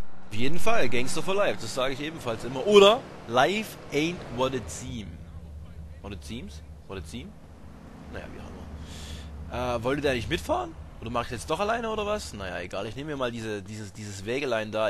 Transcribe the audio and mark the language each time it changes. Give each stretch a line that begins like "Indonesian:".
German: Auf jeden Fall,
English: Gangster for Life,
German: das sage ich ebenfalls immer.
English: Oder, Life ain't what it seems. What it seems? What it seems?
German: Naja, wie auch immer. Wollt ihr da nicht mitfahren? Oder mach ich jetzt doch alleine oder was? Naja, egal, ich nehme mir mal dieses Wägelein da.